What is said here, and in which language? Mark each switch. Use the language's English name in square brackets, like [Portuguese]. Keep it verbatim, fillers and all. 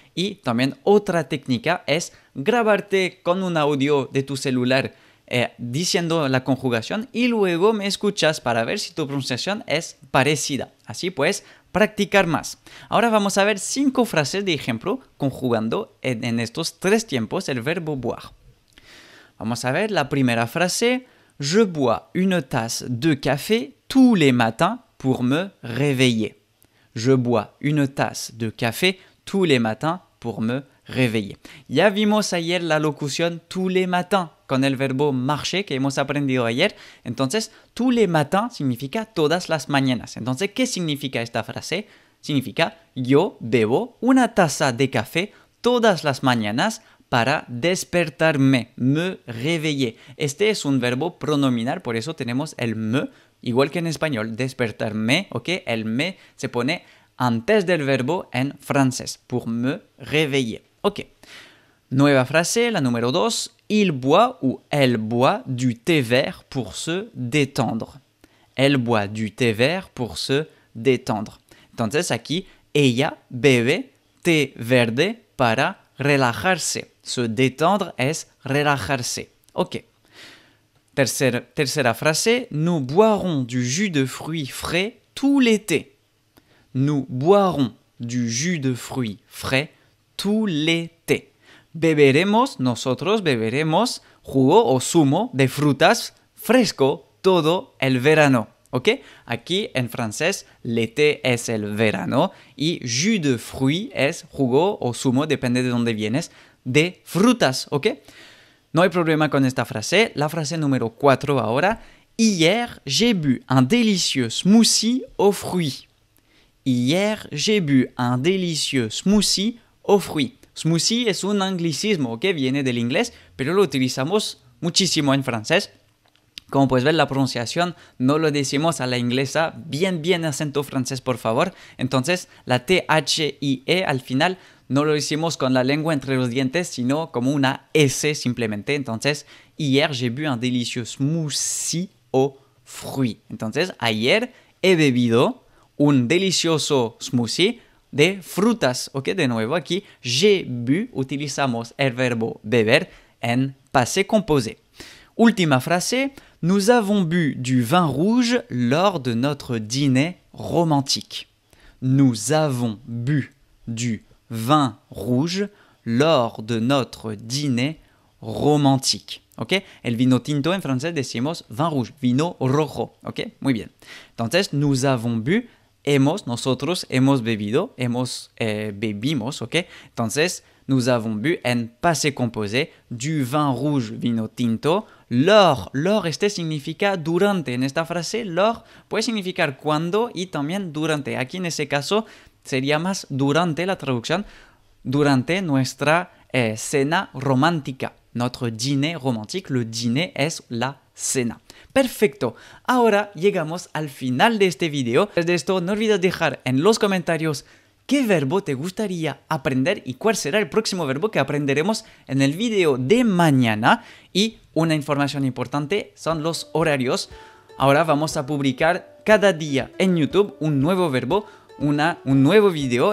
[Spanish] Y también otra técnica es grabarte con un audio de tu celular Eh, diciendo la conjugación y luego me escuchas para ver si tu pronunciación es parecida. Así puedes practicar más. Ahora vamos a ver cinco frases de ejemplo conjugando en, en estos tres tiempos el verbo boire. Vamos a ver la primera frase. [French] Je bois une tasse de café tous les matins pour me réveiller. Je bois une tasse de café tous les matins pour me réveiller. [Spanish] Ya vimos ayer la locución [French] tous les matins [Spanish] con el verbo marcher que hemos aprendido ayer. Entonces, [French] tous les matins [Spanish] significa todas las mañanas. Entonces, ¿qué significa esta frase? Significa yo bebo una taza de café todas las mañanas para despertarme, [French] me réveiller. [Spanish] Este es un verbo pronominal, por eso tenemos el me, igual que en español, despertarme, ¿ok? El me se pone antes del verbo en francés, [French] pour me réveiller. [Spanish] Ok. Nueva frase, la número dos. [French] Il boit ou elle boit du thé vert pour se détendre. Elle boit du thé vert pour se détendre. [Spanish] Entonces aquí, ella bebe té verde para relajarse. [French] Se détendre [Spanish] es relajarse. Ok. Tercera, tercera frase. [French] Nous boirons du jus de fruits frais tout l'été. Nous boirons du jus de fruits frais tout l'été. [Spanish] Beberemos, nosotros beberemos jugo o zumo de frutas fresco todo el verano, ¿ok? Aquí en francés, l'été es el verano y [French] jus de fruits [Spanish] es jugo o zumo, depende de dónde vienes, de frutas, ¿ok? No hay problema con esta frase. La frase número cuatro ahora. [French] Hier, j'ai bu un délicieux smoothie aux fruits. Hier, j'ai bu un délicieux smoothie aux fruits. [Spanish] Smoothie es un anglicismo que viene del inglés, pero lo utilizamos muchísimo en francés Como puedes ver, la pronunciación no lo decimos a la inglesa, bien, bien acento francés, por favor. Entonces, la T H I E al final no lo hicimos con la lengua entre los dientes, sino como una S simplemente. Entonces, [French] hier, j'ai bu un délicieux smoothie aux fruits. [Spanish] Entonces, ayer he bebido un delicioso smoothie de frutas. Ok, de nuevo aquí, [French] j'ai bu, [Spanish] utilizamos el verbo beber en passé composé. Última frase, [French] nous avons bu du vin rouge lors de notre dîner romantique. Nous avons bu du vin rouge lors de notre dîner romantique. Ok? [Spanish] El vino tinto en français decimos [French] vin rouge, [Spanish] vino rojo. Ok? Muy bien. Entonces, [French] nous avons bu, [Spanish] hemos, nosotros hemos bebido, hemos, eh, bebimos. Ok? Entonces, [French] nous avons bu [Spanish] en passé composé [French] du vin rouge, [Spanish] vino tinto. Lors, lors, este significa durante. En esta frase, lors puede significar cuando y también durante. Aquí en ese caso sería más durante la traducción, durante nuestra eh, cena romántica. [French] Notre dîner romantique, le dîner [Spanish] es la cena. Perfecto. Ahora llegamos al final de este video. Después de esto, no olvides dejar en los comentarios qué verbo te gustaría aprender y cuál será el próximo verbo que aprenderemos en el video de mañana. Y una información importante son los horarios. Ahora vamos a publicar cada día en YouTube un nuevo verbo, una, un nuevo video.